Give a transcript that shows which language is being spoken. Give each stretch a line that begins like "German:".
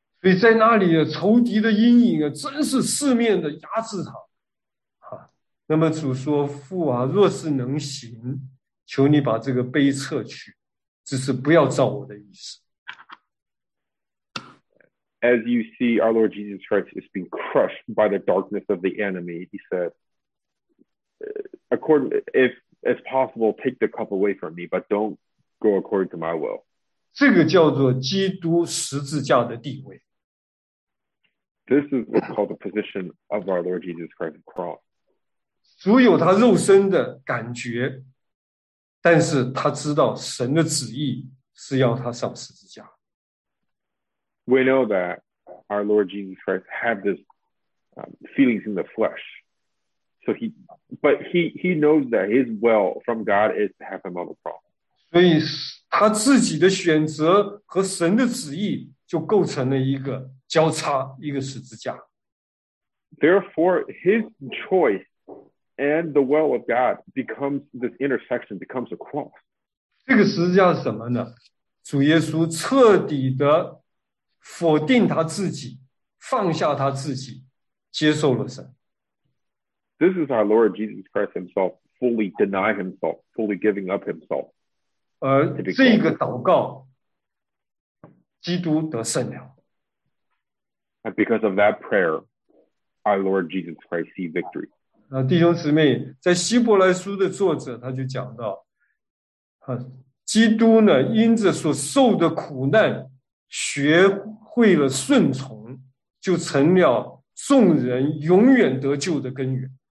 Chinese: 所以在那里的仇敌的阴影真是四面的压制他。那么主说，父若是能行，求你把这个杯撤去，只是不要照我的意思。
English: As you see, our Lord Jesus Christ is being crushed by the darkness of the enemy. He said, if as possible, take the cup away from me, but don't go according to my will.
Chinese: 这个叫做基督十字架的地位。
English: This is what's called the position of our Lord Jesus Christ's cross.
Chinese: 主有他肉身的感觉，但是他知道神的旨意是要他上十字架。
English: We know that our Lord Jesus Christ had this feelings in the flesh. So he knows that his will from God is to have him on the cross.
Chinese: 所以他自己的选择和神的旨意就构成了一个交叉，一个十字架。
English: Therefore, his choice and the will of God becomes this intersection, becomes a cross.
Chinese: 这个十字架是什么呢？主耶稣彻底的否定他自己，放下他自己，接受了神。
English: This is our Lord Jesus Christ himself fully deny himself, fully giving up himself.
Chinese: 而这个祷告，基督得胜了。
English: And because of that prayer, our Lord Jesus Christ see victory.
Chinese: 弟兄姊妹，在希伯来书的作者他就讲到，基督呢，因着所受的苦难学会了顺从，就成了众人永远得救的根源。